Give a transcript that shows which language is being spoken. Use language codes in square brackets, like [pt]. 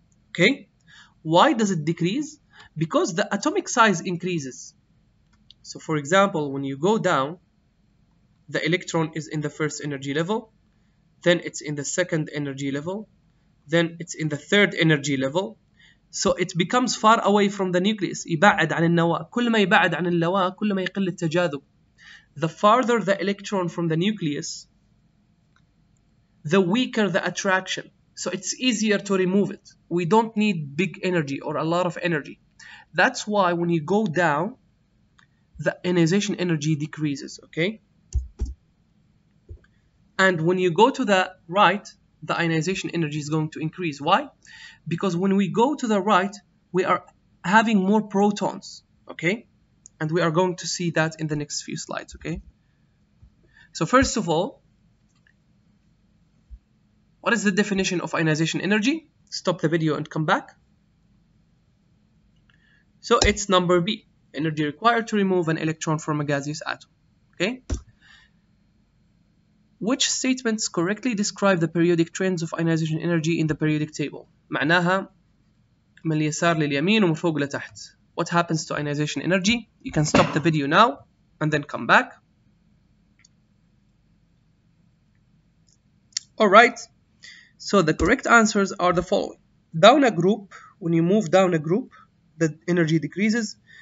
[en] Okay? Why does it decrease? Because the atomic size increases. So for example, when you go down, the electron is in the first energy level, then it's in the second energy level, then it's in the third energy level. So it becomes far away from the nucleus. [ar] يبعد عن النواة. كل ما يبعد عن النواة, كل ما يقل التجاذب. [en] The farther the electron from the nucleus, the weaker the attraction. So it's easier to remove it. We don't need big energy or a lot of energy. That's why when you go down, the ionization energy decreases, okay? And when you go to the right, the ionization energy is going to increase. Why? Because when we go to the right, we are having more protons, okay? And we are going to see that in the next few slides, okay? So first of all, what is the definition of ionization energy? Stop the video and come back. So it's number B, energy required to remove an electron from a gaseous atom, okay? Which statements correctly describe the periodic trends of ionization energy in the periodic table? [ar] معناها من اليسار لليمين ومن فوق لتحت. [en] What happens to ionization energy? You can stop the video now and then come back. All right. So the correct answers are the following. Down a group, when you move down a group, the energy decreases.